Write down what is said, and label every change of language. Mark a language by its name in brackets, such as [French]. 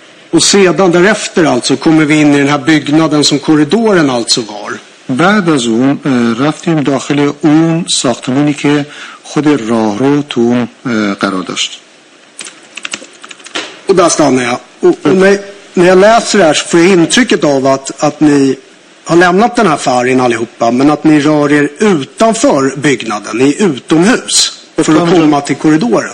[Swedish] Och sedan därefter alltså kommer vi in i den här byggnaden som korridoren alltså var. [Persian] بعد از اون رفتیم داخل اون ساختمانی که خود راهرو تو قرار داشت. [Swedish] Och där stannar jag. Och när jag läser det här så får jag intrycket av att ni har lämnat den här färgen allihopa. Men att ni rör er utanför byggnaden. Ni är utomhus för att komma till korridoren.